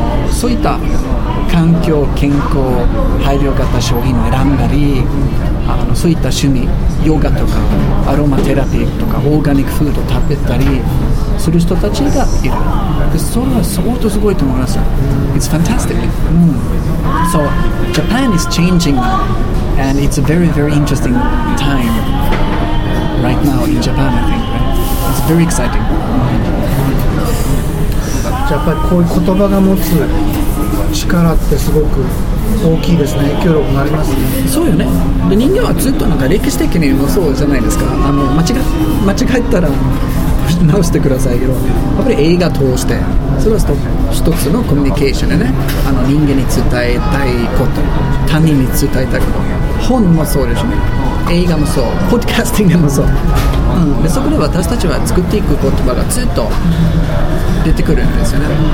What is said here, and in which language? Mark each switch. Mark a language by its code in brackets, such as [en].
[ja] そういった環境、健康、配慮型商品を選んだり、そういった趣味、ヨガとかアロマテラピーとかオーガニックフードを食べたりする人たちがいる。で、それは相当すごいと思います。 [en] It's fantastic、So Japan is changing and it's a very very interesting time right now in Japan, I think、right? It's very exciting、 [ja] やっぱりこういう言葉が持つ力ってすごく大きいですね。影響力もありますね。そうよね。で、人間はずっとなんか歴史的にもそうじゃないですか。間違ったら直してくださいけど、やっぱり映画通して、それは一つのコミュニケーションでね、人間に伝えたいこと、他人に伝えたいこと、本もそうですね、映画もそう、ポッドキャスティングもそう、でそこで私たちは作っていく言葉がずっと出てくるんですよね。